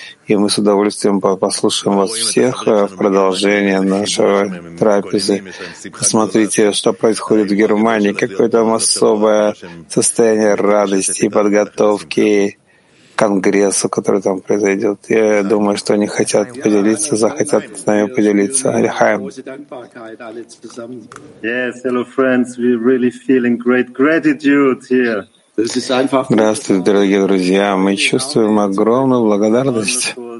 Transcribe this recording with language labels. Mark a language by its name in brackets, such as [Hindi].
[Russian] И мы с удовольствием послушаем вас всех в продолжение нашего трапезы. Посмотрите, что происходит в Германии. Какое там особое состояние радости и подготовки к конгрессу, который там произойдет. Я думаю, что они хотят поделиться, захотят с нами поделиться. Альхайм. [English] Yes, hello friends, we're really feeling great gratitude here. [Russian] Здравствуйте, дорогие друзья. Мы чувствуем огромную благодарность.